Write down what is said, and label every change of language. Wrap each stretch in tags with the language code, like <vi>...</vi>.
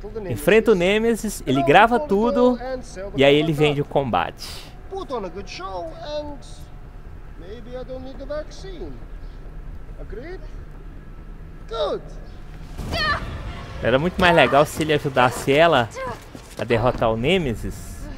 <pt>Enfrenta o Nemesis, ele grava tudo e aí ele vende o combate.</pt> <en>Put on a good show and maybe I don't need the vaccine. Agreed? Good.</en> <pt>Era muito mais legal se ele ajudasse ela a derrotar o Nemesis.</pt>